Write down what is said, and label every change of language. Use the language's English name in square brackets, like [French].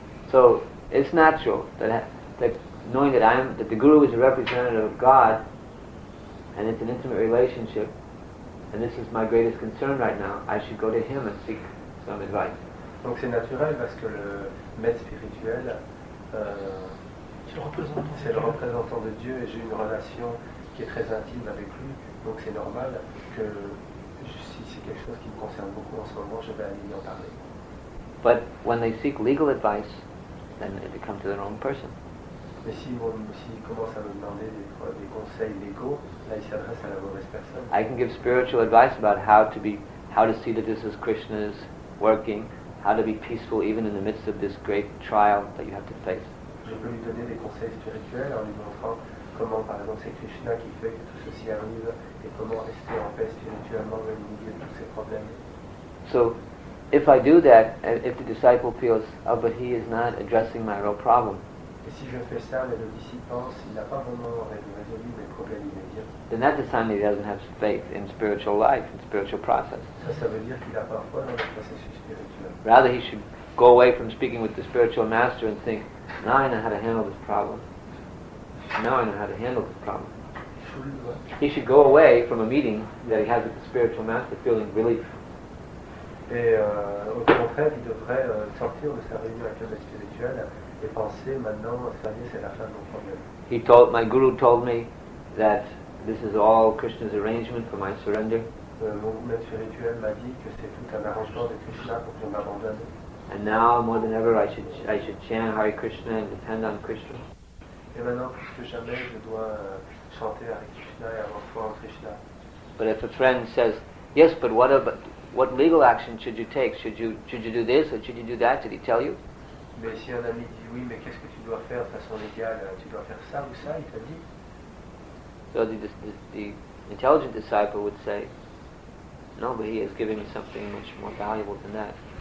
[English] So it's natural that knowing that that the Guru is a representative of God, and it's an intimate relationship, and this is my greatest concern right now, I should go to him and seek some advice. [French] Donc c'est naturel parce que le maître spirituel, c'est le représentant de Dieu et j'ai une relation qui est très intime avec lui. Donc c'est normal que si c'est quelque chose qui me concerne beaucoup en ce moment, je vais aller lui en parler. [English] But when they seek legal advice, then they come to the wrong person. [French] Mais si commencent à me demander des conseils légaux, là ils s'adressent à la mauvaise personne. [English] I can give spiritual advice about how to see that this is Krishna's working. How to be peaceful even in the midst of this great trial that you have to face. [French] Je peux lui donner des conseils spirituels en lui montrant comment, par exemple, c'est Krishna qui fait que tout ceci arrive et comment rester en paix spirituellement au milieu de tous ces problèmes. [English] So, if I do that, and if the disciple feels, oh, but he is not addressing my real problem. [French] Et si je fais ça, mais le disciple pense qu'il n'a pas vraiment résolu mes problèmes immédiats. [English] Then that's a sign that he doesn't have faith in spiritual life, in spiritual process. [French] Ça veut dire qu'il n'a pas foi dans le processus spirituel. [English] Rather, he should go away from speaking with the spiritual master and think, now I know how to handle this problem. Now I know how to handle this problem. He should go away from a meeting that he has with the spiritual master feeling relief. [French] Et au contraire, il devrait sortir de sa réunion avec le spirituel et penser maintenant, ça y est, c'est la fin de mon problème. [English] My guru told me that this is all Krishna's arrangement for my surrender. [French] Mon maître spirituel m'a dit que c'est tout un arrangement de Krishna pour que je m'abandonne. [English] And now, more than ever, I should chant Hare Krishna and depend on Krishna. [French] Et maintenant, plus que jamais, je dois chanter Hare Krishna et avoir foi en Krishna. [English] But if a friend says, yes, but what legal action should you take? Should you do this or should you do that? Did he tell you? [French] Mais si un ami dit oui, mais qu'est-ce que tu dois faire de façon légale? Tu dois faire ça ou ça? Il t'a dit? [English] So the intelligent disciple would say, no, but he is giving me something much more valuable than that.